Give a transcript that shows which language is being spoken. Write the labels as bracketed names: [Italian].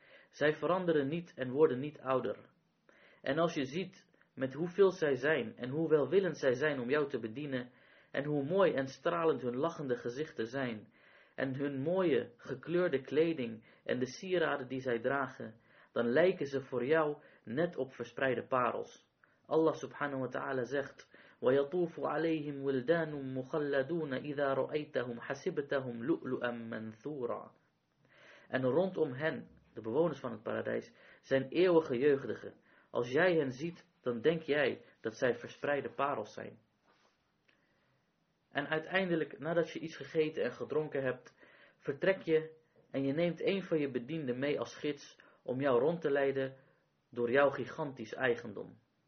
[Dutch] Zij veranderen niet en worden niet ouder. En als je ziet met hoeveel zij zijn en hoe welwillend zij zijn om jou te bedienen, en hoe mooi en stralend hun lachende gezichten zijn, en hun mooie gekleurde kleding en de sieraden die zij dragen, dan lijken ze voor jou net op verspreide parels. [Arabic] Allah subhanahu wa ta'ala zegt, وَيَطُوفُ عَلَيْهِمْ وِلْدَانٌ مُخَلَّدُونَ إِذَا رُؤَيْتَهُمْ حَسِبْتَهُمْ لُؤْلُؤًا مَنْثُورًا. [Dutch] En rondom hen, de bewoners van het paradijs, zijn eeuwige jeugdigen. Als jij hen ziet, dan denk jij dat zij verspreide parels zijn. En uiteindelijk, nadat je iets gegeten en gedronken hebt, vertrek je en je neemt 1 van je bedienden mee als gids om jou rond te leiden door jouw gigantisch eigendom.